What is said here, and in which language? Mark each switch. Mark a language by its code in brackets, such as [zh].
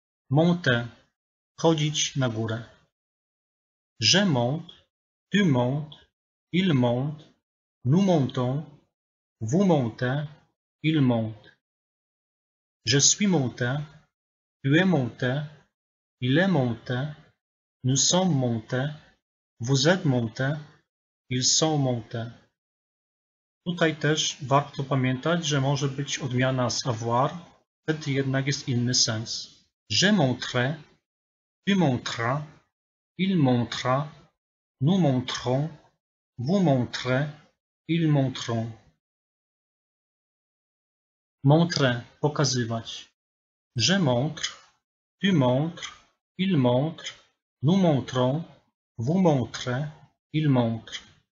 [fr] Monter, [pl] chodzić na górę. [fr] Je monte, tu montes, il monte, nous montons, vous montez, il monte. Je suis monté, tu es monté, il est monté, nous sommes montés, vous êtes montés, ils sont montés. [pl] Tutaj też warto pamiętać, że może być odmiana z avoir, wtedy jednak jest inny sens. [fr] Je montrerai, tu montreras, il montrera, nous montrons, vous montrez, ils montreront. Montrer, pokazywać. Je montre, tu montres, il montre, nous montrons, vous montrez, ils montrent.